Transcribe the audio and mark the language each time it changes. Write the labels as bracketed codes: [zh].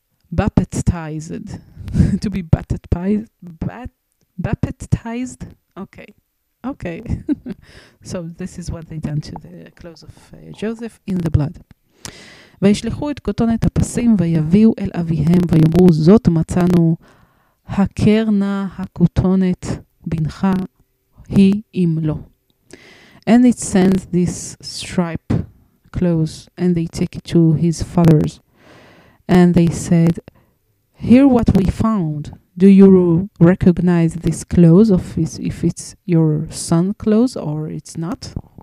[en] Baptized to be baptized. Okay. So this is what they done to the clothes of Joseph in the blood. [he] וישלחו את כותונת הפסים ויביאו אל אביהם ויאמרו זאת מצאנו הקרנה הכותונת בנך היא אם לא. [en] And it sends this stripe clothes and they take it to his fathers and they said hear what we found. Do you recognize this clothes of his, if it's your son's clothes or it's not?